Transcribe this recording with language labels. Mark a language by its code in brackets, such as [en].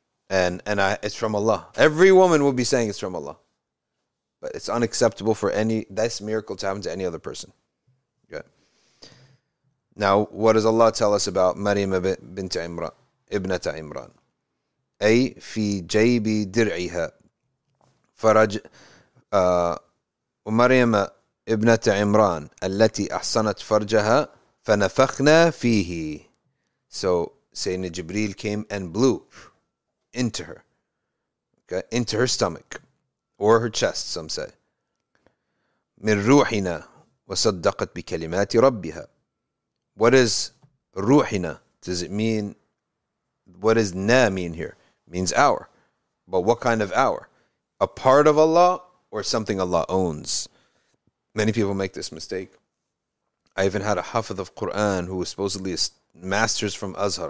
[en] And it's from Allah. Every woman will be saying it's from Allah. But it's unacceptable for this miracle to happen to any other person. Okay. Now, what does Allah tell us about Maryam bint Imran, ibnata Imran? [ar] أي في جيب درعها فرج ومريم ابنة عمران التي أحسنت فرجها فنفخنا فيه. [en] So, Sayyidina Jibreel came and blew into her, okay, into her stomach or her chest, some say. [ar] من روحنا وصدقت بكلمات ربها. [en] What is روحنا? Does it mean, what does na mean here? Means our. But what kind of our? A part of Allah or something Allah owns? Many people make this mistake. I even had a hafiz of Quran who was supposedly a masters from Azhar.